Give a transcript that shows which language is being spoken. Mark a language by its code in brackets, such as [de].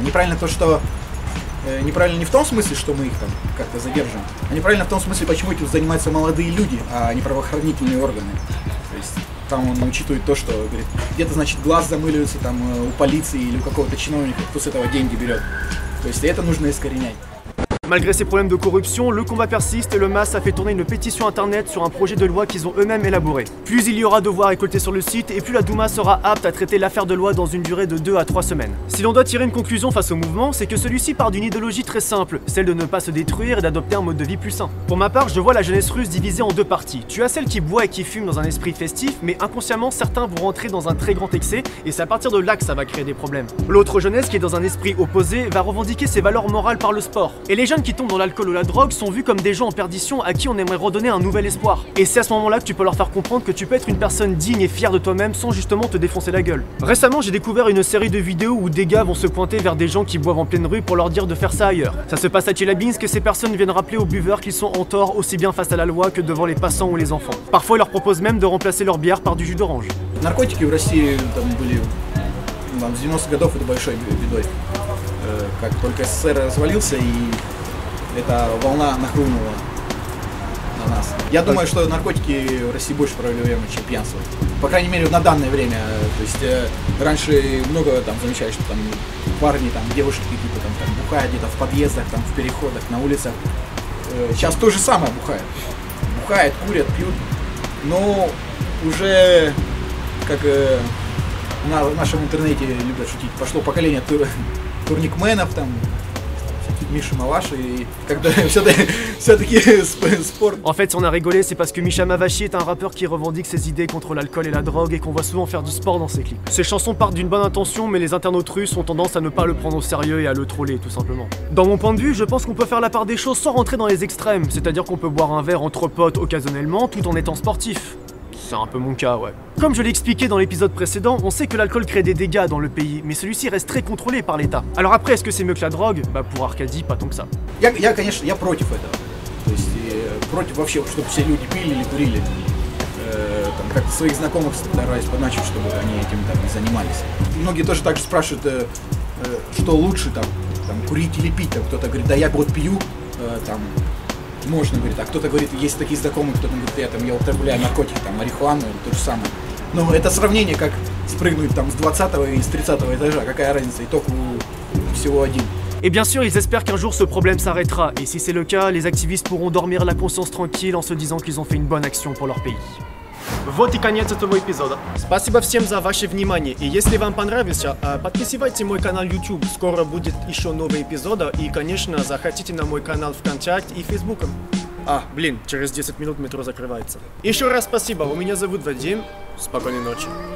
[ru] Неправильно не в том смысле, что мы их там как-то задержим, а неправильно в том смысле, почему этим занимаются молодые люди, а не правоохранительные органы. То есть там он учитывает то, что говорит, где-то, значит, глаз замыливается там у полиции или у какого-то чиновника, кто с этого деньги берет. То есть это нужно искоренять. [fr] Malgré ces problèmes de corruption, le combat persiste et le MAS a fait tourner une pétition internet sur un projet de loi qu'ils ont eux-mêmes élaboré. Plus il y aura de voix récoltées sur le site et plus la Douma sera apte à traiter l'affaire de loi dans une durée de 2 à 3 semaines. Si l'on doit tirer une conclusion face au mouvement, c'est que celui-ci part d'une idéologie très simple, celle de ne pas se détruire et d'adopter un mode de vie plus sain. Pour ma part, je vois la jeunesse russe divisée en deux parties. Tu as celle qui boit et qui fume dans un esprit festif, mais inconsciemment, certains vont rentrer dans un très grand excès et c'est à partir de là que ça va créer des problèmes. L'autre jeunesse, qui est dans un esprit opposé, va revendiquer ses valeurs morales par le sport. Et les jeunes qui tombent dans l'alcool ou la drogue sont vus comme des gens en perdition à qui on aimerait redonner un nouvel espoir. Et c'est à ce moment-là que tu peux leur faire comprendre que tu peux être une personne digne et fière de toi-même sans justement te défoncer la gueule. Récemment, j'ai découvert une série de vidéos où des gars vont se pointer vers des gens qui boivent en pleine rue pour leur dire de faire ça ailleurs. Ça se passe à Tchelyabinsk et ces personnes viennent rappeler aux buveurs qu'ils sont en tort aussi bien face à la loi que devant les passants ou les enfants. Parfois, ils leur proposent même de remplacer leur bière par du jus d'orange. [ru] Наркотики в России там были там, с 90-х годов это большой бедой. Как только СССР развалился и эта волна нахлынула на нас. Я думаю, что наркотики в России больше проблемы, чем пьянство. По крайней мере, на данное время. То есть раньше много там замечали, что там парни, там девушки какие-то там бухают где-то в подъездах, там в переходах, на улицах. Сейчас то же самое бухают. Бухают, курят, пьют. Но уже, как на нашем интернете любят шутить, пошло поколение турникменов там. Миша Маваши и когда все-таки спорт. [fr] En fait, si on a rigolé, c'est parce que Миша Маваши est un rappeur qui revendique ses idées contre l'alcool et la drogue et qu'on voit souvent faire du sport dans ses clips. Ses chansons partent d'une bonne intention, mais les internautes russes ont tendance à ne pas le prendre au sérieux et à le troller, tout simplement. Dans mon point de vue, je pense qu'on peut faire la part des choses sans rentrer dans les extrêmes, c'est-à-dire qu'on peut boire un verre entre potes occasionnellement tout en étant sportif. C'est un peu mon cas, ouais. Comme je l'ai expliqué dans l'épisode précédent, on sait que l'alcool crée des dégâts dans le pays, mais celui-ci reste très contrôlé par l'État. Alors après, est-ce que c'est mieux que la drogue? Bah pour Arkady, pas tant que ça. [ru] Я, конечно, я против этого. То есть против вообще, чтобы все люди пили или курили. Там как-то своих знакомых стараюсь подначить, чтобы они этим там не занимались. Многие тоже так же спрашивают, что лучше там курить или пить. Там кто-то говорит, да я вот пью, там. Можно, говорит, а кто-то говорит, есть такие знакомые, кто-то говорит, я употребляю наркотики, там, марихуану или то же самое. Но это сравнение, как спрыгнуть там с 20-го и с 30-го этажа, какая разница, итог всего один. [fr] Et bien sûr, ils espèrent qu'un jour ce problème s'arrêtera, et si c'est le cas, les активistes pourront dormir la conscience tranquille en se disant qu'ils ont fait une bonne action pour leur pays. [ru] Вот и конец этого эпизода. Спасибо всем за ваше внимание. И если вам понравилось, подписывайте мой канал YouTube. Скоро будет еще новый эпизод. И, конечно, заходите на мой канал ВКонтакте и Фейсбук. А, блин, через 10 минут метро закрывается. Еще раз спасибо. У меня зовут Вадим. Спокойной ночи.